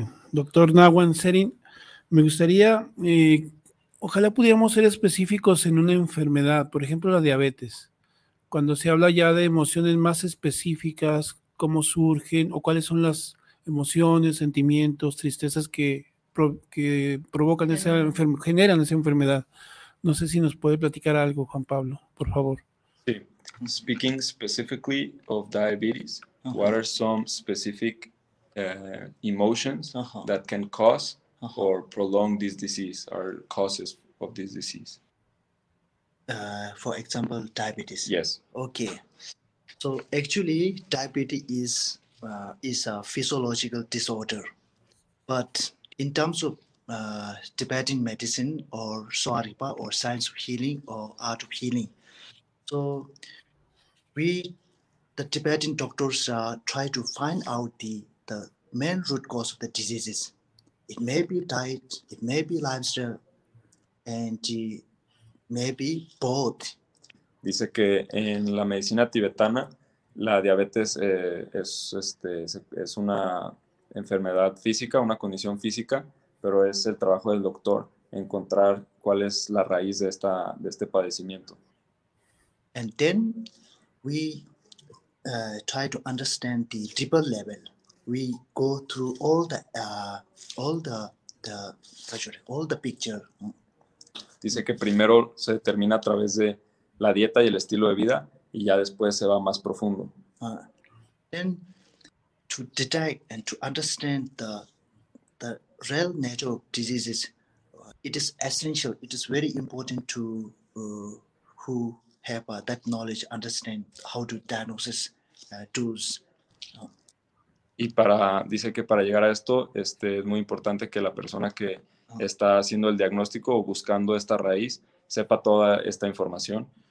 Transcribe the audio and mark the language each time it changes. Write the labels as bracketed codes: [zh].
[es] Doctor Nawan Serin, me gustaría, ojalá pudiéramos ser específicos en una enfermedad, por ejemplo, la diabetes. Cuando se habla ya de emociones más específicas, cómo surgen o cuáles son las emociones, sentimientos, tristezas que provocan generan esa enfermedad. No sé si nos puede platicar algo, Juan Pablo, por favor. Sí. [en] Speaking specifically of diabetes, uh-huh. what are some specific emotions uh-huh. that can cause uh-huh. or prolong this disease or causes of this disease. For example, diabetes. Yes. Okay. So actually, diabetes is a physiological disorder. But in terms of Tibetan medicine or Soaripa or science of healing or art of healing, so we, the Tibetan doctors, try to find out the main root cause of the diseases. It may be diet, it may be lifestyle, and maybe both. [es] Dice que en la medicina tibetana, la diabetes es una enfermedad física, una condición física, pero es el trabajo del doctor encontrar cuál es la raíz de esta de este padecimiento. [en] And then we try to understand the deeper level. We go through all the picture. [es] Dice que primero se determina a través de la dieta y el estilo de vida y ya después se va más profundo. [en] Then to detect and to understand the real nature of diseases, it is essential. It is very important to who have that knowledge, understand how to diagnose tools. [es] Y para, dice que para llegar a esto, es muy importante que la persona que está haciendo el diagnóstico o buscando esta raíz sepa toda esta información.